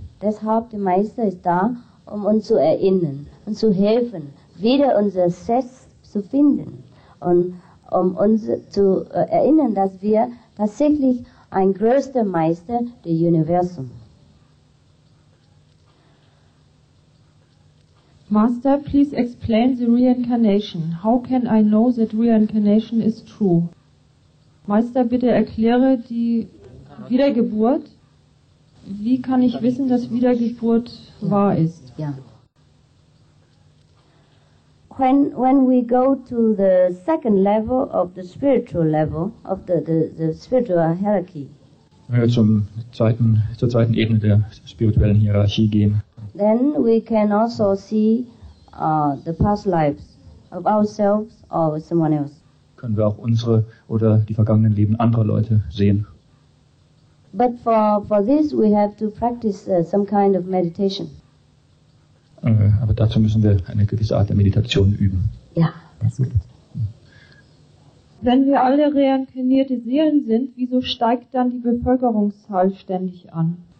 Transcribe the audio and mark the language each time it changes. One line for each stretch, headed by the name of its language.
German: Deshalb der Meister ist da, um uns zu erinnern und zu helfen, wieder unser Selbst zu finden und um uns zu erinnern, dass wir tatsächlich ein größter Meister des Universums.
English: Master, please explain the reincarnation. How can I know that reincarnation is true?
German: Meister, bitte erkläre die Wiedergeburt. Wie kann ich wissen, dass Wiedergeburt wahr ist? Ja.
English: When we go to the second level of the spiritual level of the spiritual hierarchy.
German: Wenn wir zur zweiten Ebene der spirituellen Hierarchie gehen.
English: Then we can also see the past lives of ourselves or someone else.
German: Können wir auch unsere oder die vergangenen Leben anderer Leute sehen?
English: But for this we have to practice some kind of meditation.
German: Aber dazu müssen wir eine gewisse Art der Meditation üben. Ja, das ist gut. Wenn wir alle reinkarnierte Seelen sind, wieso steigt dann die Bevölkerungszahl ständig an?